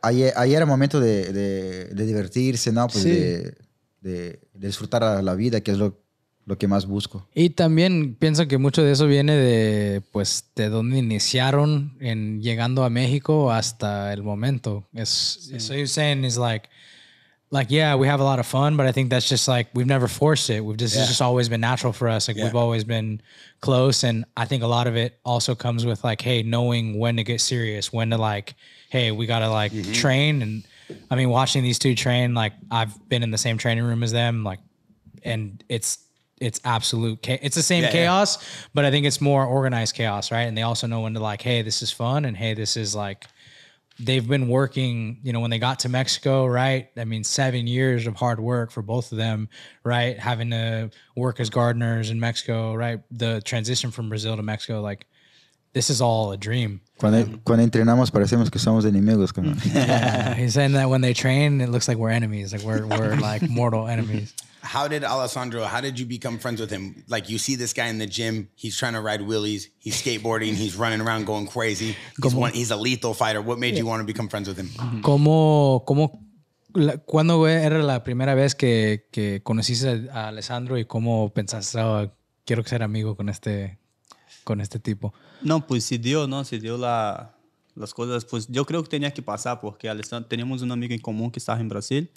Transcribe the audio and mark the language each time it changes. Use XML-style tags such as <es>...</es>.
<es>Ahí era momento de divertirse, ¿no? Pues sí. De disfrutar la vida, que es lo que más busco. Y también pienso que mucho de eso viene de, pues, de dónde iniciaron en llegando a México hasta el momento.</es> <en>Sí. So you're saying is like... Like, yeah, we have a lot of fun, but I think that's just like, we've never forced it. It's just always been natural for us. Like yeah. We've always been close. And I think a lot of it also comes with like, hey, knowing when to get serious, when to like, hey, we got to like train. And I mean, watching these two train, like I've been in the same training room as them. Like, and it's the same chaos, but I think it's more organized chaos. Right. And they also know when to like, hey, this is fun. And hey, this is like, they've been working, you know, when they got to Mexico, right? I mean, 7 years of hard work for both of them, right? Having to work as gardeners in Mexico, right? The transition from Brazil to Mexico, like, this is all a dream.</en> <es>Cuando entrenamos, parecemos que somos enemigos. Yeah,</es> <en>he's saying that when they train, it looks like we're enemies. Like, we're like mortal enemies. How did you become friends with him? Like, you see this guy in the gym, he's trying to ride wheelies, he's skateboarding, he's running around going crazy. He's a lethal fighter. What made you want to become friends with him?</en> <es>¿Cómo, cuándo era la primera vez que conociste a Alessandro y cómo pensaste, oh, quiero ser amigo con este tipo? No, pues se dio, ¿no? Se dio la, las cosas, pues yo creo que tenía que pasar porque Alessandro, teníamos un amigo en común que estaba en Brasil.</es>